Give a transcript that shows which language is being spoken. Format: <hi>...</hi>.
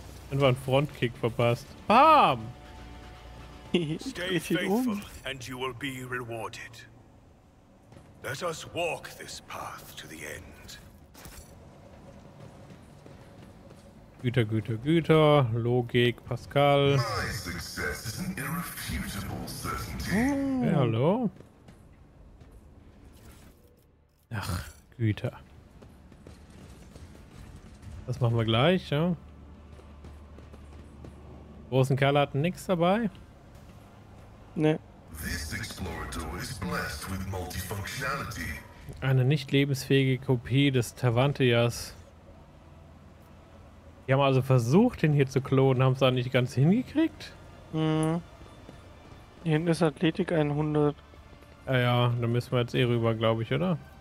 <de>Einfach ein Frontkick verpasst. Bam!</de> <en>Stay faithful and you will be rewarded. Let us walk this path to the end.</en> <de>Güter, Güter, Güter, Logik, Pascal.</de> <en>My success is an irrefutable certainty.</en> <de>Hey, hallo? Ach, Güter. Das machen wir gleich, ja. Großen Kerl hat nichts dabei. Nee.</de> <en>This explorator is blessed with multifunctionality.</en> <de>Eine nicht lebensfähige Kopie des Tavantias. Die haben also versucht, den hier zu klonen, haben es da nicht ganz hingekriegt. Hier hinten ist Athletik 100. Ja, ja, da müssen wir jetzt eh rüber, glaube ich, oder?</de>